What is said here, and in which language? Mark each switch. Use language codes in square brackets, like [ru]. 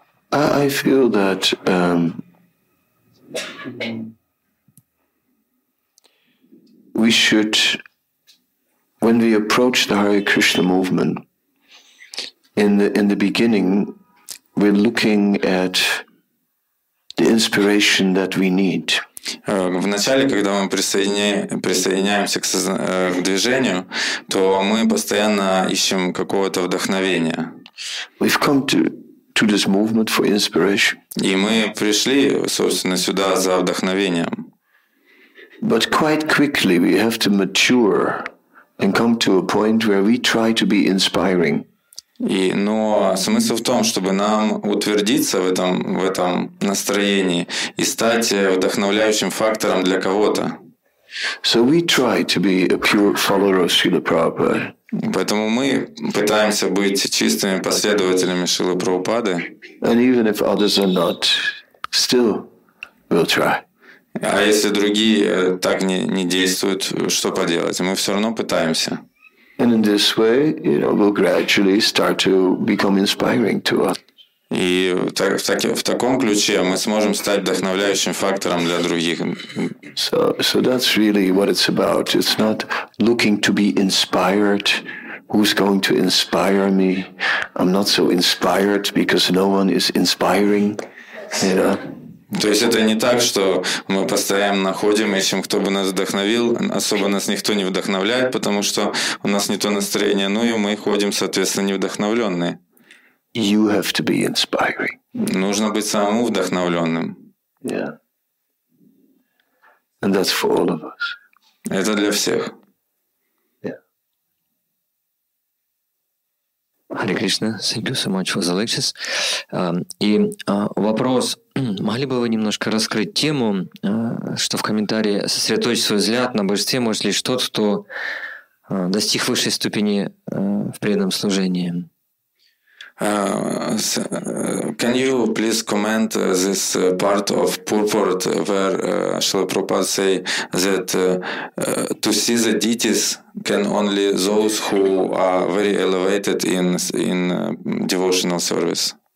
[en] I feel that we should, when we approach the Hare Krishna movement, In the beginning, we're looking at the inspiration that we need. [ru] В начале, когда мы присоединяемся к движению, то мы постоянно ищем какого-то вдохновения. [en] We've come to this movement for inspiration. [ru] И мы пришли, собственно, сюда за вдохновением. [en] But quite quickly we have to mature and come to a point where we try to be inspiring. [ru] Но смысл в том, чтобы нам утвердиться в этом настроении и стать вдохновляющим фактором для кого-то. [en] So we try to be a pure follower of Srila Prabhupada. [ru] Поэтому мы пытаемся быть чистыми последователями Шрилы Прабхупады. [en] And even if others are not, still we'll try. [ru] А если другие так не действуют, что поделать? Мы все равно пытаемся. [en] And in this way, you know, we'll gradually start to become inspiring to us. [ru] И в таком ключе мы сможем стать вдохновляющим фактором для других. [en] So that's really what it's about. It's not looking to be inspired. Who's going to inspire me? I'm not so inspired because no one is inspiring. You know? [ru] То есть это не так, что мы постоянно находим, ищем, кто бы нас вдохновил. Особо нас никто не вдохновляет, потому что у нас не то настроение. Ну и мы ходим, соответственно, невдохновленные. [en] You have to be inspiring. [ru] Нужно быть самому вдохновленным. [en] Yeah. And that's for all of us. [ru] Это для всех. [en] Hare Krishna, thank you so much for the lectures. [ru] И вопрос, могли бы вы немножко раскрыть тему, что в комментарии сосредоточить свой взгляд на божестве, может ли тот, кто достиг высшей ступени в преданном служении? [en] Can you please comment this part of purport where Srila Prabhupada say that to see the deities can only those who are very elevated in devotional service?